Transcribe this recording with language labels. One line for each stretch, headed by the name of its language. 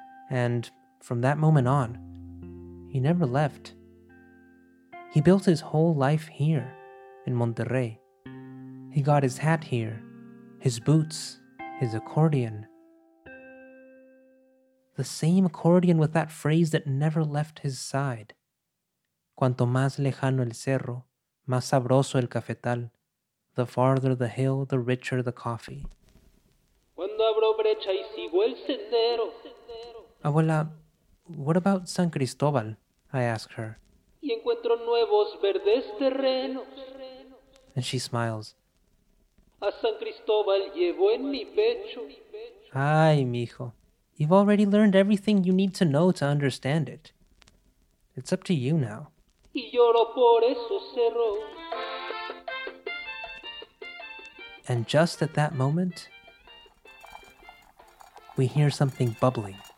English: And from that moment on, he never left. He built his whole life here, in Monterrey. He got his hat here, his boots, his accordion. The same accordion with that phrase that never left his side.
Spanish: Cuanto más lejano el cerro, más sabroso el cafetal.
English: The farther the hill, the richer the coffee.
Spanish: Cuando abro brecha y sigo el sendero.
English: Abuela, what about San Cristóbal? I ask her.
Spanish: Y encuentro nuevos verdes terrenos.
English: And she smiles.
Spanish: A San Cristóbal llevo en mi pecho. Ay, mijo,
English: you've already learned everything you need to know to understand it. It's up to you now.
Spanish: Y lloro por esos cerros.
English: And just at that moment, we hear something bubbling.